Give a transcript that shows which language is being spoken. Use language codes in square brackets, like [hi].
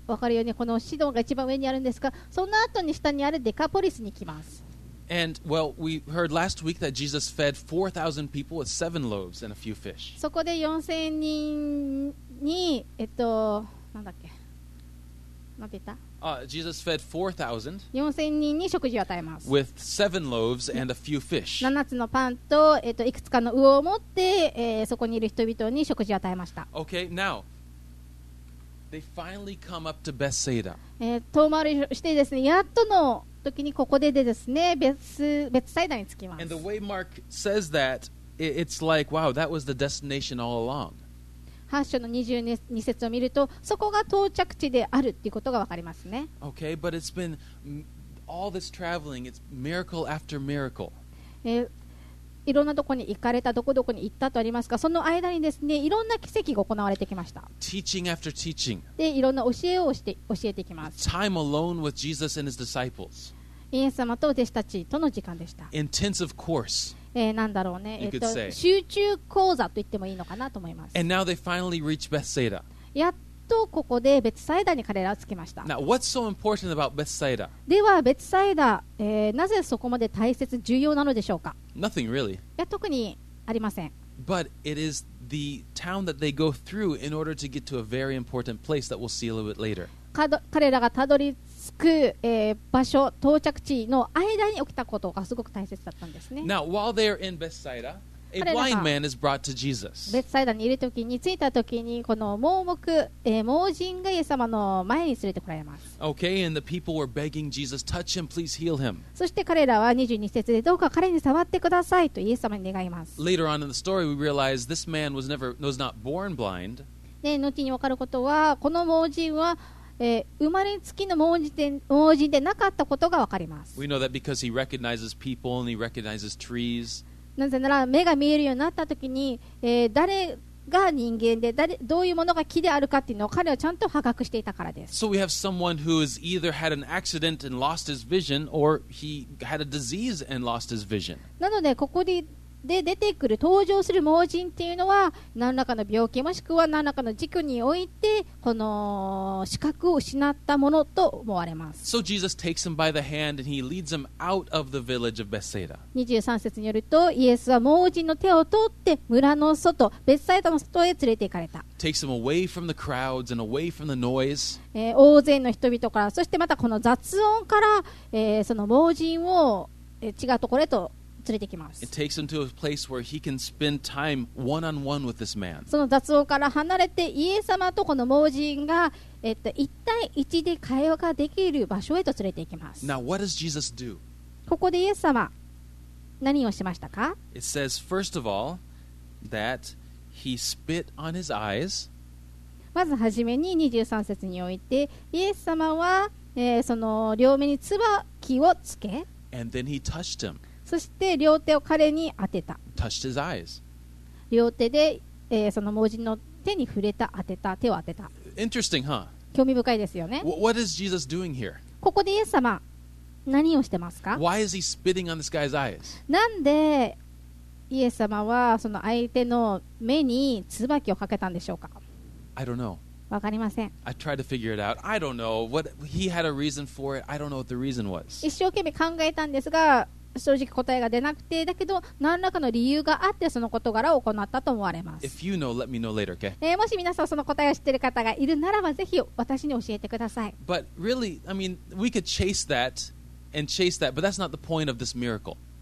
[ja] 分かるようにこのシドンが一番上にあるんですが、その後に下にあるデカポリスに行きます。 [en] And well, we heard last week that Jesus fed 4,000 people with 7 loaves and a few fish. [ja] そこで4000人に、なんだっけ、なんて言った？ [en] Jesus fed 4,000 [ja] 4,000人に食事を与えます。 [en] With 7 loaves and a few fish. [ja] 7つのパンと、いくつかの魚を持って、そこにいる人々に食事を与えました。 [en] Okay, now, they finally come up to Bethsaida. [ja] 遠回りしてですね、やっとの時にここでですね、ベツサイダに着きます。 [en] And the way Mark says that, it's like, wow, that was the destination all along. [ja] 8章の22節を見ると、そこが到着地であるということが分かりますね。 [en] Okay, but it's been all this traveling, it's miracle after miracle. [ja] いろんなとこに行かれた、どこどこに行ったとありますが、その間にですね、いろんな奇跡が行われてきました。 [en] Teaching after teaching. [ja] で、いろんな教えをして教えてきます。 [en] Time alone with Jesus and his disciples. [ja] イエス様と弟子たちとの時間でした。 [en] Intensive course. [ja] なんだろうね、集中講座と言ってもいいのかなと思います。 [en] And now they finally reach Bethsaida. [ja] やっとここでベツサイダに彼らは着きました。 [en] Now, what's so important about Bethsaida? [ja] ではベツサイダ、なぜそこまで大切重要なのでしょうか。 [en] Nothing really. [ja] いや特にありません。 [en] But it is the town that they go through in order to get to a very important place that we'll see a little bit later. [ja] 彼らがたどり着く、場所、到着地の間に起きたことがすごく大切だったんですね。 [en] Now, while they're in Bethsaida, a blind man is brought to Jesus. [ja] ベツサイダにいるときに、着いたときに、この盲目、盲人がイエス様の前に連れてこられます。 [en] Okay, and the people were begging Jesus, touch him, please heal him. [ja] そして彼らは22節で、どうか彼に触ってくださいとイエス様に願います。 [en] Later on in the story, we realize this man was not born blind. [ja] で、後に分かることは、この盲人は、生まれつきの盲人でなかったことが分かります。 [en] We know that because he recognizes people and he recognizes trees. [ja] なぜなら目が見えるようになった時に、誰が人間で誰どういうものが木であるかっていうのを彼はちゃんと把握していたからです。 [en] So we have someone who has either had an accident and lost his vision or he had a disease and lost his vision. [ja] なのでここで出てくる登場する盲人っていうのは何らかの病気もしくは何らかの事故においてこの視覚を失ったものと思われます。 [en] So Jesus takes him by the hand and he leads him out of the village of Bethsaida. [ja] 23節によるとイエスは盲人の手を取って村の外、ベッサイダの外へ連れて行かれた。 [en] Takes him away from the crowds and away from the noise. [ja] 大勢の人々からそしてまたこの雑音から、その盲人を、違うところへと連れてきます。 [en] It takes him to a place where he can spend time one-on-one with this man. [ja] その雑音から離れてイエス様とこの盲人が、一対一で会話ができる場所へと連れて行きます。 [en] Now, what does Jesus do? [ja] ここでイエス様何をしましたか? [en] It says, first of all, that he spit on his eyes. [ja] まずはじめに23節においてイエス様は、その両目に唾液をつけ [en] And then he touched him. [ja] そして両手を彼に当てた。 [en] Touched his eyes. [ja] 両手で、その盲人の手に触れた、当てた、手を当てた。 [en] Interesting, huh? [ja] 興味深いですよね。 [en] What is Jesus doing here? [ja] ここでイエス様、何をしてますか? [en] Why is he spitting on this guy's eyes? [ja] なんでイエス様はその相手の目に唾をかけたんでしょうか? [en] I don't know. [ja] わかりません。 [en] I tried to figure it out. I don't know what he had a reason for it. I don't know what the reason was. [ja] 一生懸命考えたんですが、正直答えが出なくて、だけど何らかの理由があってその事柄を行ったと思われます。 [en] If you know, let me know later, okay? [ja] もし皆さんその答えを知っている方がいるならば、ぜひ私に教えてください。 [en] But really, I mean, we could chase that and chase that, but that's not the point of this miracle.